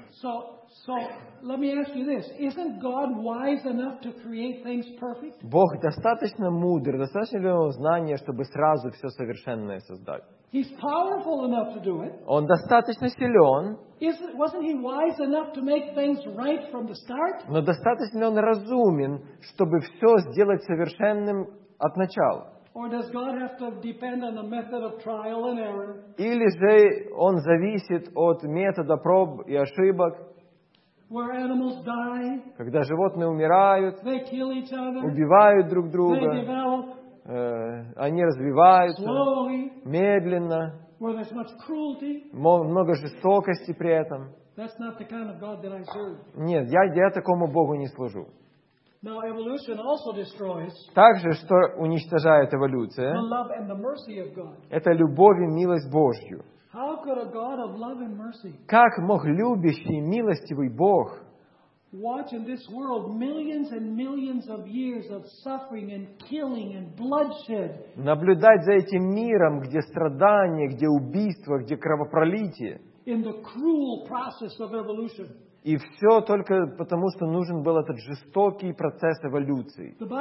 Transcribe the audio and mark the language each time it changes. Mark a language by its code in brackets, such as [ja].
[en] So let me ask you this: isn't God wise enough to create things perfect? [ru] Бог достаточно мудр, достаточно ли у него знания, чтобы сразу все совершенное создать? [en] He's powerful enough to do it. [ru] Он достаточно силен. [en] Wasn't he wise enough to make things right from the start? [ru] Но достаточно ли он разумен, чтобы все сделать совершенным от начала? [en] Or does God have to depend on the method of trial and error? [ru] Или же он зависит от метода проб и ошибок? [en] Where animals die, [ru] когда животные умирают, [en] they kill each other, [ru] убивают друг друга, [en] they develop, [ru] они развиваются [en] slowly, [ru] медленно, [en] where there's much cruelty, [ru] много жестокости при этом. [en] That's not the kind of God that I serve. [ru] Нет, я такому Богу не служу. [en] Now, evolution also destroys, [ru] также, что уничтожает эволюция, [en] the love and the mercy of God. [ru] Это любовь и милость Божью. [en] How could a God of love and mercy, [ru] как мог любящий и милостивый Бог, [en] watch in this world millions and millions of years of suffering and killing and bloodshed, [ru] наблюдать за этим миром, где страдания, где убийства, где кровопролитие, [en] in the cruel process of evolution? [ru] И все только потому, что нужен был этот жестокий процесс эволюции.